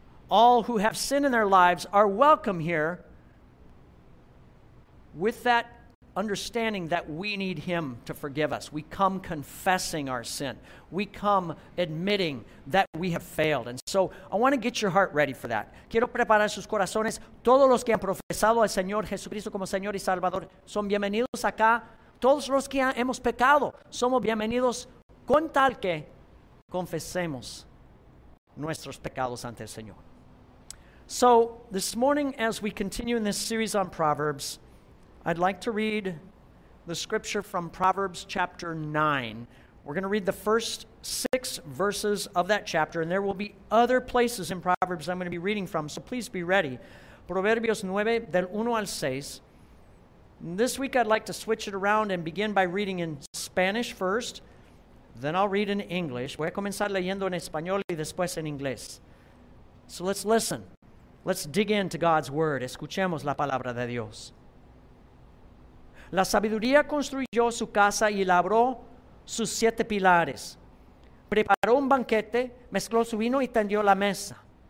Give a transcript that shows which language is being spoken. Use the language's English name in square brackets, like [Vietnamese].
[English] All who have sin in their lives are welcome here with that understanding that we need Him to forgive us. We come confessing our sin. We come admitting that we have failed. And so I want to get your heart ready for that. [Spanish] Quiero preparar sus corazones. Todos los que han profesado al Señor Jesucristo como Señor y Salvador son bienvenidos acá. Todos los que hemos pecado somos bienvenidos con tal que confesemos nuestros pecados ante el Señor. [English] So this morning, as we continue in this series on Proverbs, I'd like to read the scripture from Proverbs chapter 9. We're going to read the first 6 verses of that chapter, and there will be other places in Proverbs I'm going to be reading from, so please be ready. [Spanish] Proverbios 9, del 1 al 6. [English] This week I'd like to switch it around and begin by reading in Spanish first, then I'll read in English. [Spanish] Voy a comenzar leyendo en español y después en inglés. [English] So let's listen. Let's dig into God's Word. [Spanish] Escuchemos la palabra de Dios. La sabiduría construyó su casa y labró sus 7 pilares. Preparó un banquete, mezcló su vino y tendió la mesa.